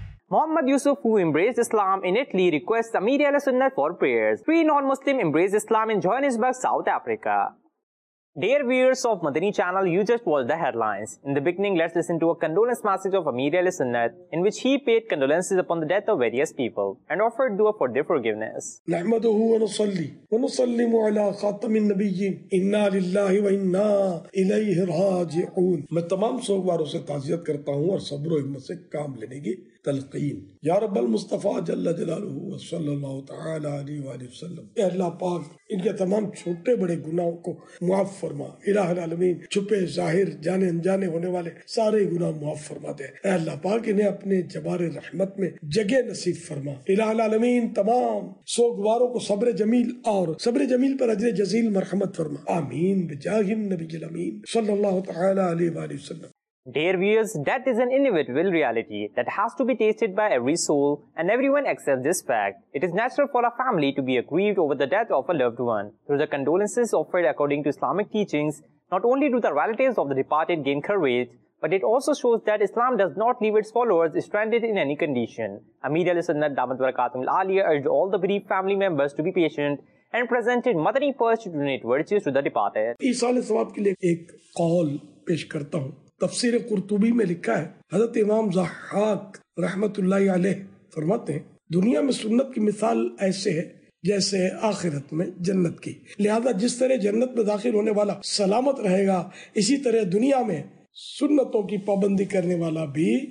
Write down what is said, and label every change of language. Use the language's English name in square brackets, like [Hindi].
[English] Muhammad Yusuf, who embraced Islam in Italy, requests Amir al-Sunnat for prayers. Three non-Muslim embrace Islam in Johannesburg, South Africa. Dear viewers of Madani channel, you just watched the headlines. In the beginning, let's listen to a condolence message of Amir al-Sunnat, in which he paid condolences upon the death of various people and offered dua for their forgiveness. [Arabic] نَحْمَدُهُ وَنُصَلِّي وَنُصَلِّمُ عَلَى خَاتَمِ النَّبِيِّينَ إِنَّا لِلَّهِ وَإِنَّا إِلَيْهِ رَاجِعُونَ [Urdu] میں تمام سوگواروں سے تعزیت کرتا ہوں اور صبر و حکمت سے کام لینے کی تلقین یا رب المصطفیٰ جل جلالہ وصلی اللہ تعالی علیہ وآلہ وسلم اے اللہ پاک ان کے تمام چھوٹے بڑے گناہوں کو معاف فرما الہ العالمین چھپے ظاہر جانے انجانے ہونے والے سارے گناہ معاف فرما دے اے اللہ پاک انہیں اپنے جبار رحمت میں جگہ نصیب فرما الہ العالمین تمام سوگواروں کو صبر جمیل اور صبر جمیل پر اجر جزیل مرحمت فرما آمین بجاہ النبی الامین صلی اللہ تعالی علیہ وآلہ وسلم [English] Dear viewers, death is an inevitable reality that has to be tasted by every soul and everyone accepts this fact. It is natural for a family to be aggrieved over the death of a loved one. Through the condolences offered according to Islamic teachings, not only do the relatives of the departed gain courage, but it also shows that Islam does not leave its followers stranded in any condition. Amir al-Sunnat Damat Barakatul Aliyah urged all the bereaved family members to be patient and presented Madani purse to donate virtues to the departed. [Urdu] تفسیر قرطبی میں لکھا ہے حضرت امام ضحاک رحمت اللہ علیہ فرماتے ہیں دنیا میں سنت کی مثال ایسے ہے جیسے آخرت میں جنت کی لہذا جس طرح جنت میں داخل ہونے والا سلامت رہے گا اسی طرح دنیا میں سنتوں کی پابندی کرنے والا بھی